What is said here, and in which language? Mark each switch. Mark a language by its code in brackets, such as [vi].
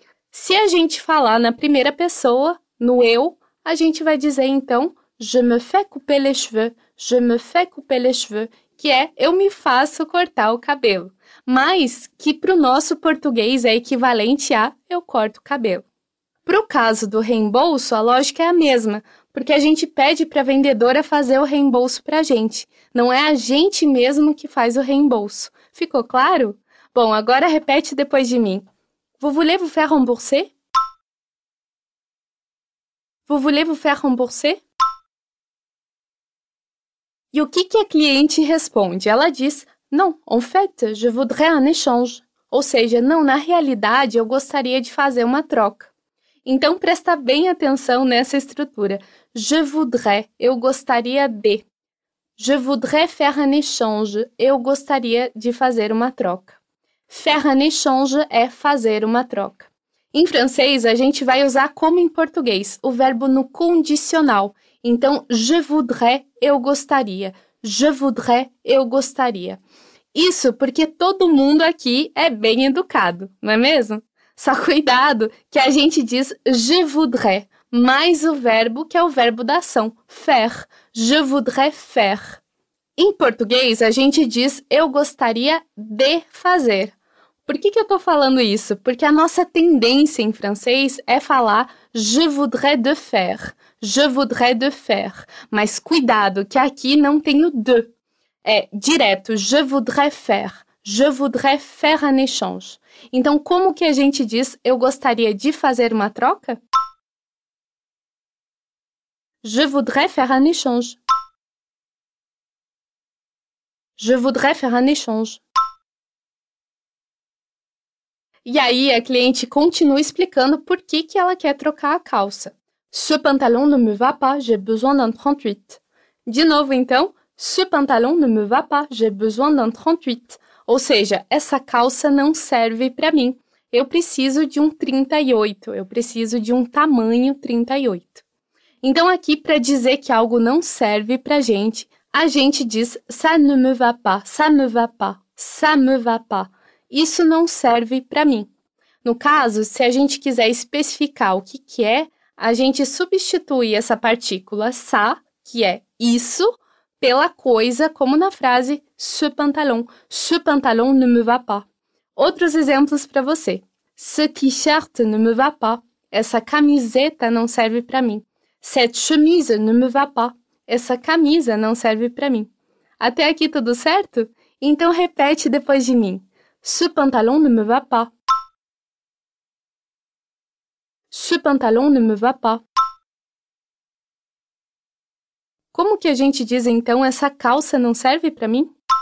[pt] Se a gente falar na primeira pessoa, no eu, a gente vai dizer então [fr] je me fais couper les cheveux, [pt] je me fais couper les cheveux, que é eu me faço cortar o cabelo, mas que para o nosso português é equivalente a eu corto o cabelo. Para o caso do reembolso, a lógica é a mesma, porque a gente pede para a vendedora fazer o reembolso para a gente, não é a gente mesmo que faz o reembolso. Ficou claro? Bom, agora repete depois de mim. [fr] Vous voulez vous faire rembourser? Vous voulez vous faire rembourser? [pt] E o que a cliente responde? Ela diz, [fr] non, en fait, je voudrais un échange. [pt] Ou seja, não, na realidade, eu gostaria de fazer uma troca. Então, presta bem atenção nessa estrutura. [fr] Je voudrais, [pt] eu gostaria de. [fr] Je voudrais faire un échange, [pt] eu gostaria de fazer uma troca. [fr] Faire un échange [pt] é fazer uma troca. Em francês, a gente vai usar como em português, o verbo no condicional. Então, [fr] je voudrais, [pt] eu gostaria. Je voudrais, eu gostaria. Isso porque todo mundo aqui é bem educado, não é mesmo? Só cuidado que a gente diz [fr] je voudrais, [pt] mais o verbo que é o verbo da ação, faire. [fr] Je voudrais faire. [pt] Em português, a gente diz eu gostaria de fazer. Por que eu estou falando isso? Porque a nossa tendência em francês é falar [fr] je voudrais de faire. Je voudrais de faire. [pt] Mas cuidado que aqui não tem o de. É direto, [fr] je voudrais faire. Je voudrais faire un échange. [pt] Então, como que a gente diz eu gostaria de fazer uma troca? [fr] Je voudrais faire un échange. Je voudrais faire un échange. [pt] E aí, a cliente continua explicando por que, que ela quer trocar a calça. [fr] Ce pantalon ne me va pas, j'ai besoin d'un 38. [pt] De novo, então. [fr] Ce pantalon ne me va pas, j'ai besoin d'un 38. [pt] Ou seja, essa calça não serve para mim. Eu preciso de um 38. Eu preciso de um tamanho 38. Então, aqui, para dizer que algo não serve para a gente diz [fr] ça ne me va pas, [pt] ça ne va pas, ça me va pas. Isso não serve para mim. No caso, se a gente quiser especificar o que é, a gente substitui essa partícula ça, que é isso, pela coisa, como na frase ce pantalon. [fr] Ce pantalon ne me va pas. [pt] Outros exemplos para você. [fr] Ce t-shirt ne me va pas. [pt] Essa camiseta não serve para mim. [fr] Cette chemise ne me va pas. [pt] Essa camisa não serve para mim. Até aqui tudo certo? Então repete depois de mim. [fr] Ce pantalon ne me va pas. Ce pantalon ne me va pas. [pt] Como que a gente diz, então, essa calça não serve para mim?